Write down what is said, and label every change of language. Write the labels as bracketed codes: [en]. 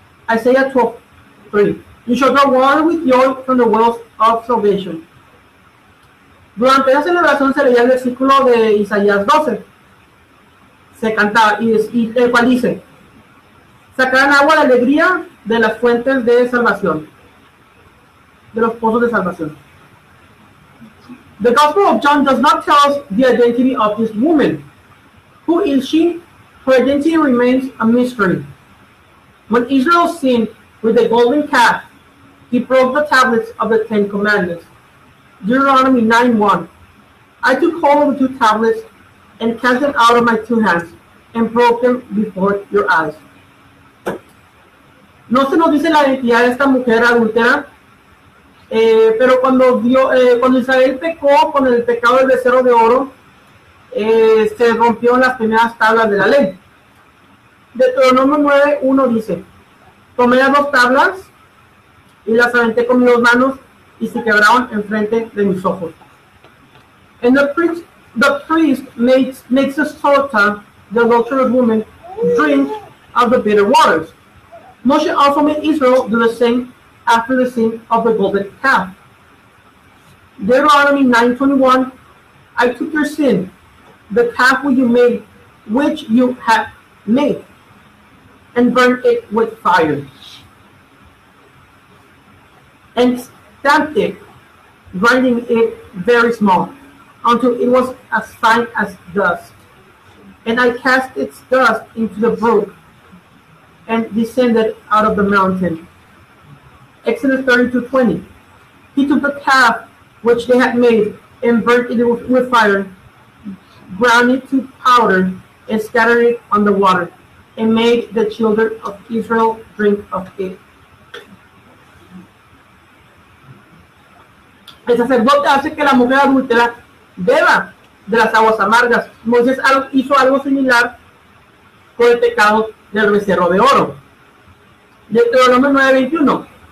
[en] Isaiah 12:3. You shall draw water with joy from the wells of salvation. [es] Durante la celebración se leía el versículo de Isaías 12. Se cantaba, y el cual dice, sacarán agua de alegría de las fuentes de salvación, de los pozos de salvación. [en] The Gospel of John does not tell us the identity of this woman. Who is she? Her identity remains a mystery. When Israel sinned with the golden calf, he broke the tablets of the Ten Commandments. Deuteronomy 9:1. I took hold of the two tablets and cast them out of my two hands and broke them before your eyes. [es] No se nos dice la identidad de esta mujer adultera, pero cuando Israel pecó con el pecado del becerro de oro, se rompió las primeras tablas de la ley. Deuteronomio 9:1 dice, tomé las dos tablas y las aventé con mis dos manos y se quebraron enfrente de mis ojos. [en] And the priest makes a sota, the adulterous woman, drink of the bitter waters. Moshe also made Israel do the same after the sin of the golden calf. Deuteronomy 9:21, I took your sin, the calf which you had made, and burned it with fire. And stamped it, grinding it very small. until it was as fine as dust. And I cast its dust into the brook and descended out of the mountain. Exodus 32:20. He took the calf which they had made and burnt it with fire, ground it to powder, and scattered it on the water, and made the children of Israel drink of it. [es] El sacerdote hace que la mujer adultera beba de las aguas amargas. Moisés hizo algo similar con el pecado del becerro de oro. Deuteronomio 9:21.